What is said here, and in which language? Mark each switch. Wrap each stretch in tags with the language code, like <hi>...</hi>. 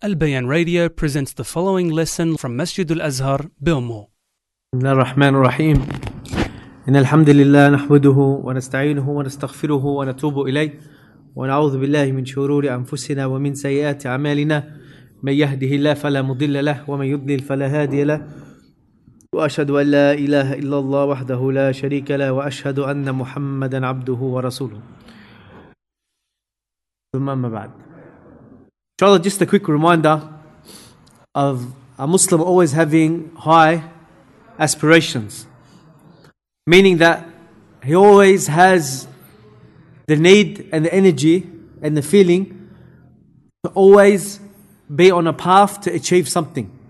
<en>البيان radio presents the following lesson from مسجد الأزهر بأمو.</en> <ar>بسم الله الرحمن الرحيم. إن الحمد لله نحمده ونستعينه ونستغفره ونتوب إليه ونعوذ بالله من شرور أنفسنا ومن سيئات أعمالنا، من يهده الله فلا مضل له ومن يضلل فلا هادي له، وأشهد أن لا إله إلا الله وحده لا شريك له، وأشهد أن محمدا عبده ورسوله. ثم أما بعد،</ar> <en>InshaAllah, just a quick reminder of a Muslim always having high aspirations, meaning that he always has the need and the energy and the feeling to always be on a path to achieve something.</en>